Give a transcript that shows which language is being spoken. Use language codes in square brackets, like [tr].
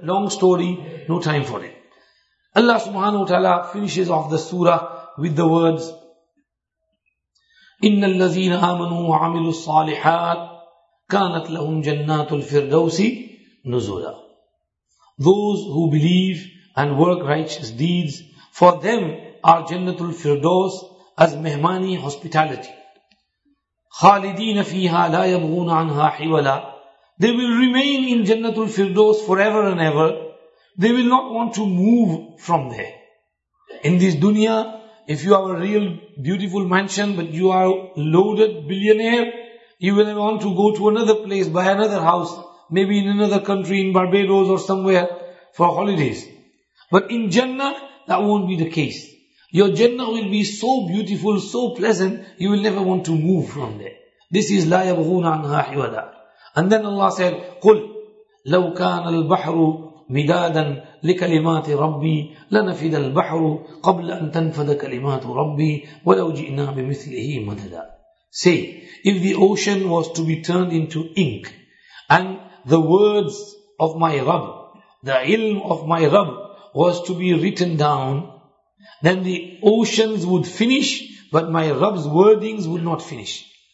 [en] Long story, no time for it. Allah subhanahu wa ta'ala finishes off the surah with the words [ar] إِنَّ الَّذِينَ آمَنُوا وَعَمِلُوا الصَّالِحَاتِ كَانَتْ لَهُمْ جَنَّاتُ الْفِرْدَوْسِ نُزُولًا. [en] Those who believe and work righteous deeds, for them are Jannatul Firdaus as mehmani hospitality. [ar] خالدين فيها لا يبغون عنها حولا. [en] They will remain in Jannatul Firdaus forever and ever. They will not want to move from there. In this dunya, if you have a real beautiful mansion, but you are loaded billionaire, you will want to go to another place, buy another house, maybe in another country, in Barbados or somewhere, for holidays. But in Jannah, that won't be the case. Your Jannah will be so beautiful, so pleasant, you will never want to move from there. This is [ar] لا يبغون عنها حولا. [en] And then Allah said, [ar] قل لو كان البحر مدادا لكلمات ربي لنفد البحر قبل أن تنفد كلمات ربي ولو جئنا بمثله مددا. [en] Say, if the ocean was to be turned into ink and the words of my Rabb, the ilm of my Rabb was to be written down, then the oceans would finish, but my Rabb's wordings would not finish.